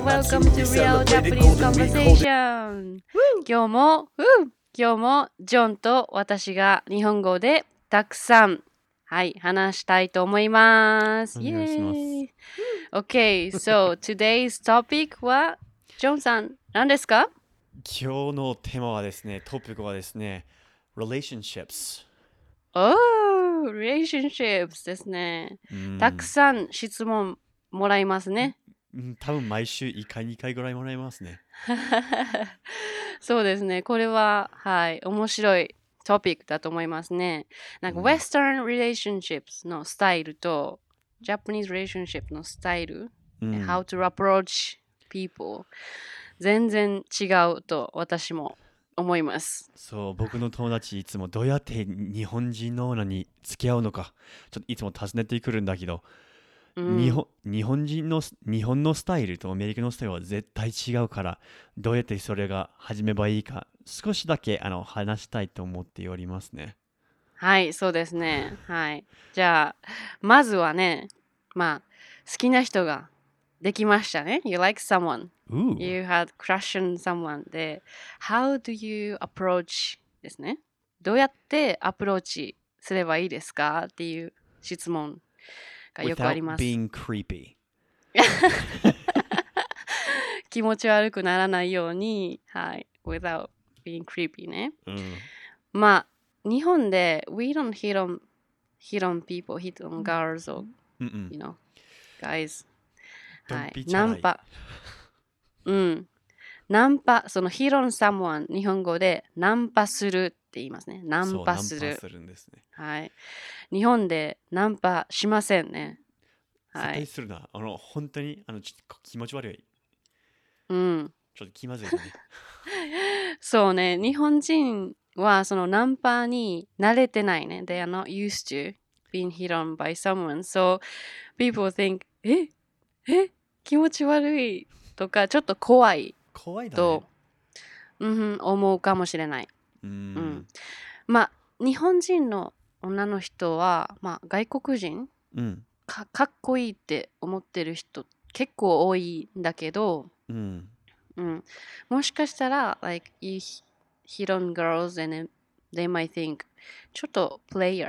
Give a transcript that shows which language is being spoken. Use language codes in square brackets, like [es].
[en] Welcome to Real Japanese Conversation. [ja] 今日もジョンと私が日本語でたくさん、はい、話したいと思います。お願いします。 [en] Okay, so today's topic [ja] は、ジョンさん、何ですか？今日のテーマはですね、トピックはですね、relationships。 Oh, relationships ですね。たくさん質問もらいますね。多分毎週1回2回ぐらいもらいますね。そうですね。これは、はい、面白いトピックだと思いますね。なんか、Western relationships のスタイルと、Japanese relationship のスタイル、 [en] How to approach people、 [ja] 全然違うと私も思います。そう、僕の友達いつもどうやって日本人のものに付き合うのかちょっといつも尋ねてくるんだけど、日本のスタイルとアメリカのスタイルは絶対違うから、どうやってそれが始めばいいか少しだけ話したいと思っておりますね。はい、そうですね。はい、じゃあまずはね、まあ好きな人ができましたね。 [en] You like someone. Ooh. You had crush on someone. で、How do you approach ですね。 [ja] どうやってアプローチすればいいですかっていう質問がよくあります。 [en] Without being creepy. [ja] 気持ち悪くならないように、はい。 [en] Without being creepy ね。 [ja] まあ、日本で [en] We don't hit on people, hit on girls or, you know, guys. [ja] はい、ナンパ、ナンパ、そのヒロン someone、日本語でナンパするって言いますね。ナンパする。そう、ナンパするんですね。はい、日本でナンパしませんね。はい、絶対するな。本当にちょっと気持ち悪い。うん。ちょっと気まずいね。そうね、日本人はそのナンパに慣れてないね。 [en] They are not used to being hit on by someone. So people think, [ja] え、気持ち悪いとか、ちょっと怖いと、怖いだね、思うかもしれない。うん、まあ、日本人の女の人は、まあ、外国人、かっこいいって思ってる人結構多いんだけど、もしかしたら、 [en] like, you hit on girls and they might think, [ja] ちょっとプレイヤ